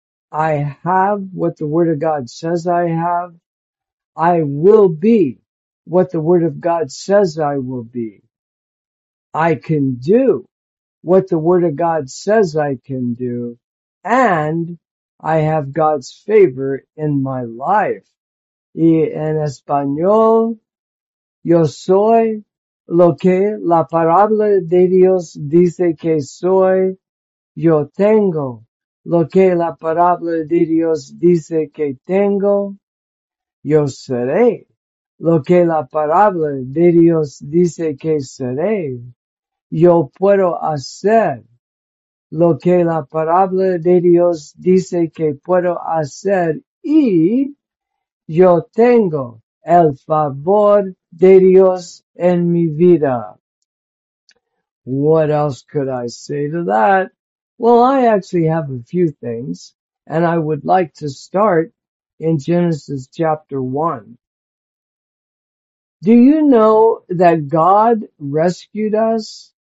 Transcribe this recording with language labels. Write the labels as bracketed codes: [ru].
[en] I have what the Word of God says I have. I will be what the Word of God says I will be. I can do what the Word of God says I can do. And I have God's favor in my life. [es] Y en español, yo soy lo que la palabra de Dios dice que soy. Yo tengo lo que la palabra de Dios dice que tengo. Yo seré lo que la palabra de Dios dice que seré. Yo puedo hacer lo que la palabra de Dios dice que puedo hacer. Y yo tengo el favor de Dios en mi vida. [en] What else could I say to that? Well, I actually have a few things, and I would like to start in Genesis chapter 1. Do you know that God rescued us?